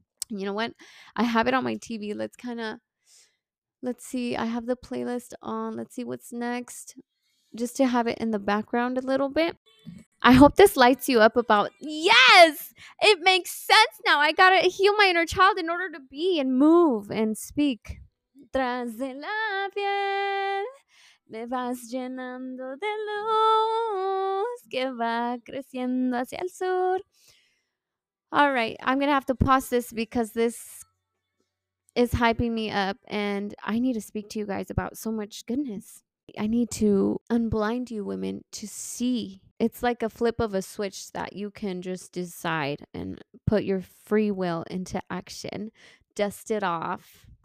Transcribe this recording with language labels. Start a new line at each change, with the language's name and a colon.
English: You know what? I have it on my TV. Let's see. I have the playlist on. Let's see what's next. Just to have it in the background a little bit. I hope this lights you up about, yes, it makes sense now. I got to heal my inner child in order to be and move and speak.
Spanish: Tras de la piel, me vas llenando de luz que va creciendo hacia el sur.
English: All right, I'm going to have to pause this because this is hyping me up and I need to speak to you guys about so much goodness. I need to unblind you women to see. It's like a flip of a switch that you can just decide and put your free will into action, dust it off.